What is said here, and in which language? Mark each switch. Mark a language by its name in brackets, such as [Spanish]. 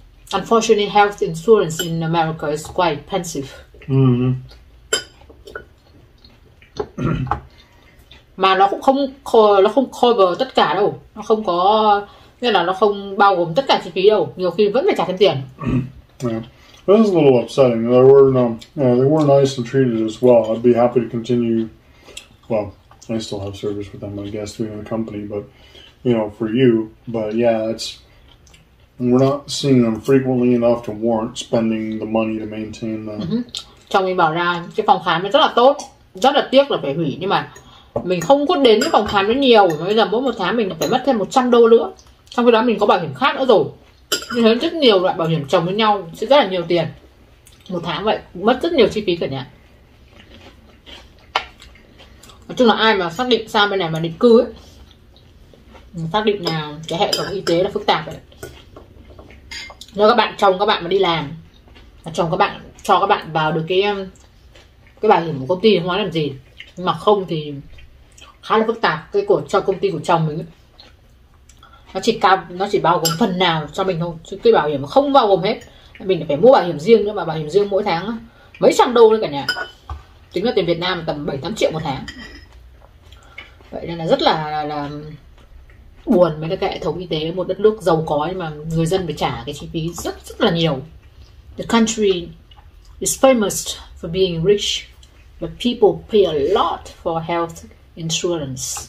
[English] Unfortunately, health insurance in America is quite expensive. Mm-hmm. [Vietnamese] Mà nó cũng không cover tất cả đâu. Nó không có, nghĩa là nó không bao gồm tất cả chi phí đâu. Nhiều khi vẫn phải trả thêm tiền. [English] Yeah, that's a little upsetting. They were they were nice and treated as well. I'd be happy to continue. Well, I still have service with them, I guess, through the company. But you know, for you, but yeah, it's. We're not seeing them frequently enough to warrant spending the money to maintain them. [Vietnamese] Chồng mình bảo ra cái phòng khám rất là tốt, rất là tiếc là phải hủy, nhưng mà mình không có đến cái phòng khám nó nhiều. Bây giờ mỗi một tháng mình phải mất thêm $100 nữa, trong khi đó mình có bảo hiểm khác nữa rồi. Mình thấy rất nhiều loại bảo hiểm chồng với nhau sẽ rất là nhiều tiền một tháng, vậy mất rất nhiều chi phí cả nhà. Nói chung là ai mà xác định sang bên này mà định cư ấy, xác định là cái hệ thống y tế là phức tạp đấy. Nếu các bạn chồng các bạn mà đi làm, chồng các bạn cho các bạn vào được cái bảo hiểm của công ty thì không nói làm gì, nhưng mà không thì khá là phức tạp. Cái của cho công ty của chồng mình nó chỉ bao gồm phần nào cho mình thôi, chứ cái bảo hiểm không bao gồm hết. Mình phải mua bảo hiểm riêng nữa, mà bảo hiểm riêng mỗi tháng mấy trăm đô đấy cả nhà, tính là tiền Việt Nam tầm 7-8 triệu một tháng. Vậy nên là rất là buồn mấy cái hệ thống y tế một đất nước giàu có, nhưng mà người dân phải trả cái chi phí rất rất là nhiều. [English] The country is famous for being rich, but people pay a lot for health insurance.